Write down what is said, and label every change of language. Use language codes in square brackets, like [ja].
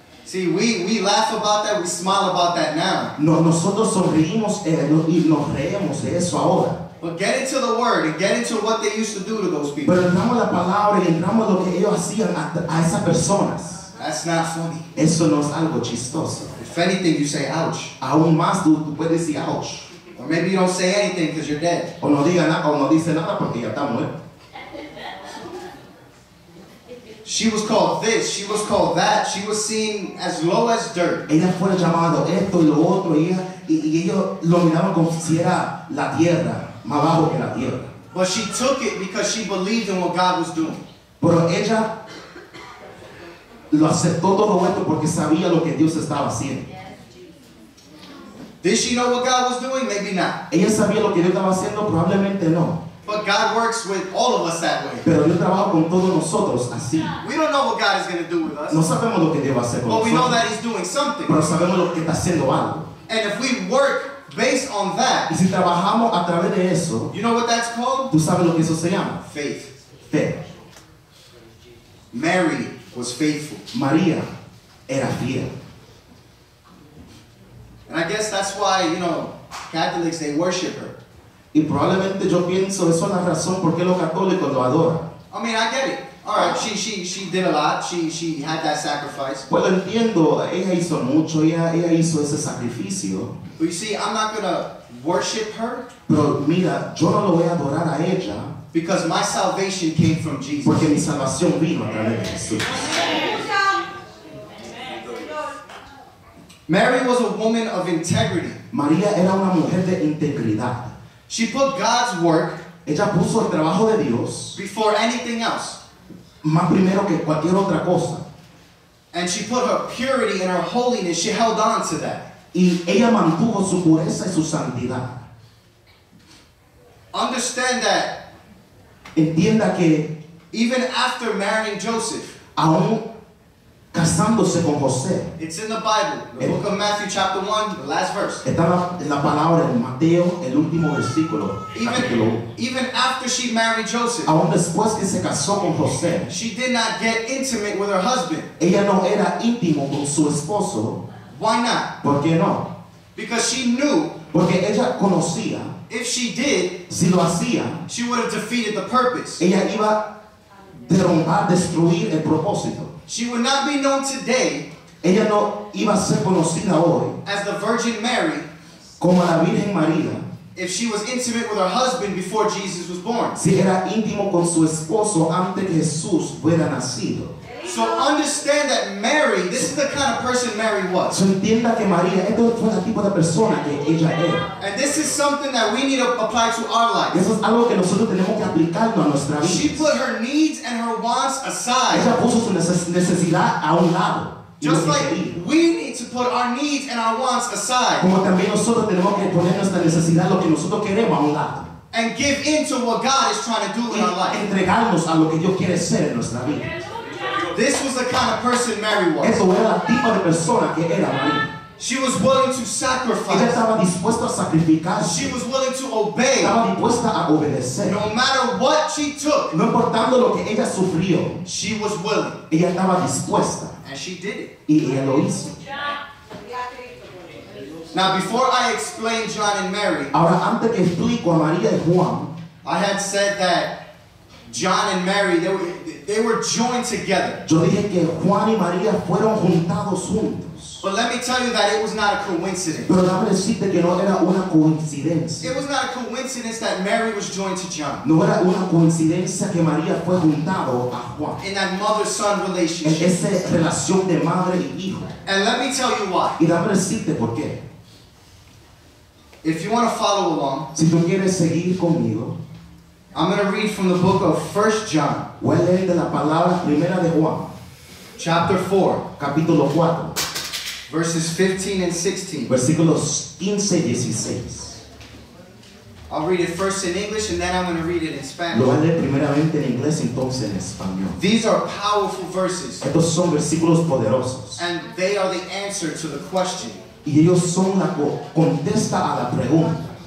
[en] See, we laugh about that, we smile about that now. [es] No, nosotros sonreímos y nos reímos de eso ahora. [en] But get into the word and get into what they used to do to those people. [es] Pero entramos la palabra y entramos lo que ellos hacían a esas personas. [en] That's not funny. [es] Eso no es algo chistoso. [en] If anything, you say ouch. [es] Aún más tú puedes decir ouch. [en] Or maybe you don't say anything because you're dead. [es] O no diga nada, o no dice nada porque ya está muerto. [en] She was called this, she was called that, she was seen as low as dirt. [es] Ella fue llamada esto y lo otro, y ellos lo miraban como si era la tierra, más bajo que la tierra. [en] But she took it because she believed in what God was doing. [es] Pero ella lo aceptó todo esto porque sabía lo que Dios estaba haciendo. [en] Did she know what God was doing? Maybe not. [es] Ella sabía lo que Dios estaba haciendo, probablemente no. [en] But God works with all of us that way. [es] Pero Dios trabaja con todos nosotros así. [en] We don't know what God is going to do with us. [es] No sabemos lo que Dios va a hacer con [en] nosotros. But we know that He's doing something. [es] Pero sabemos lo que está haciendo algo. [en] And if we work based on that, [es] y si trabajamos a través de eso, [en] you know what that's called? [es] Tú sabes lo que eso se llama. [en] Faith. [es] Fe. [en] Mary was faithful. [es] María era fiel. [en] And I guess that's why, you know, Catholics, they worship her. [es] Y probablemente yo pienso eso es la razón por qué los católicos lo adoran. [en] I mean, I get it. All right, she did a lot. She had that sacrifice. [es] Pues lo entiendo. Ella hizo mucho. Ella hizo ese sacrificio. [en] But you see, I'm not going to worship her. [es] Pero mira, yo no lo voy a adorar a ella. [en] Because my salvation came from Jesus. [es] Porque mi salvación vino a través de Jesús. [en] Mary was a woman of integrity. [es] María era una mujer de integridad. [en] She put God's work, [es] ella puso el trabajo de Dios, [en] before anything else, [es] más primero que cualquier otra cosa. [en] And she put her purity and her holiness, she held on to that. [es] Y ella mantuvo su pureza y su santidad. [en] Understand that, [es] entienda que, [en] even after marrying Joseph, [es] aún casándose con José. [en] It's in the Bible, the book of Matthew chapter 1, the last verse. [es] Está en la palabra en Mateo, el último versículo. [en] Even after she married Joseph, [es] aún después que se casó con José, [en] she did not get intimate with her husband. [es] Ella no era íntimo con su esposo. [en] Why not? [es] ¿Por qué no? [en] Because she knew. [es] Porque ella conocía. [en] If she did, [es] si lo hacía, [en] she would have defeated the purpose. [es] Ella iba derrumbar, destruir el propósito. [en] She would not be known today. [es] Ella no iba a ser conocida hoy. [en] As the Virgin Mary. [es] Como la Virgen María. [en] If she was intimate with her husband before Jesus was born. [es] Si era íntimo con su esposo antes que Jesús fuera nacido. [en] So understand that Mary, this is the kind of person Mary was. [es] So entienda que María, esto fue el tipo de persona que ella era. [en] And this is something that we need to apply to our lives. [es] Eso es algo que nosotros tenemos que aplicarlo a nuestra vida. [en] She put her needs and her wants aside. [es] Ella puso su necesidad a un lado. [en] Just like we need to put our needs and our wants aside. [es] Como también nosotros tenemos que poner nuestra necesidad, lo que nosotros queremos, a un lado. [en] And give in to what God is trying to do in our life. [es] Entregarnos a lo que Dios quiere ser en nuestra vida. [en] This was the kind of person Mary was. [es] Eso era la tipo de persona que era María. [en] She was willing to sacrifice. [es] Ella estaba dispuesta a sacrificarse. [en] She was willing to obey. [es] Estaba dispuesta a obedecer. [en] No matter what she took. [es] No importando lo que ella sufrió. [en] She was willing. [es] Ella estaba dispuesta. [en] And she did it. [es] Y ella lo hizo. [en] Now before I explain John and Mary. [es] Ahora antes que explico a María y Juan. [en] I had said that John and Mary, they were joined together. [es] Yo dije que Juan y María fueron juntados juntos. [en] But let me tell you that it was not a coincidence. [es] Pero déjame decirte que no era una coincidencia. [en] It was not a coincidence that Mary was joined to John. [es] No era una coincidencia que María fue juntado a Juan. [en] In that mother-son relationship. [es] En esa relación de madre y hijo. [en] And let me tell you why. [es] Y déjame decirte por qué. [en] If you want to follow along. [es] Si tú quieres seguir conmigo. [en] I'm going to read from the book of 1 John. [es] Voy a leer de la palabra primera de Juan. [en] Chapter 4. [es] Capítulo 4. [en] Verses 15 and 16. [es] Versículos 15 y 16. [en] I'll read it first in English and then I'm going to read it in Spanish. [es] Lo voy a leer primeramente en inglés y entonces en español. [en] These are powerful verses. [es] Estos son versículos poderosos. [en] And they are the answer to the question. [es] Y ellos son la contesta a la pregunta.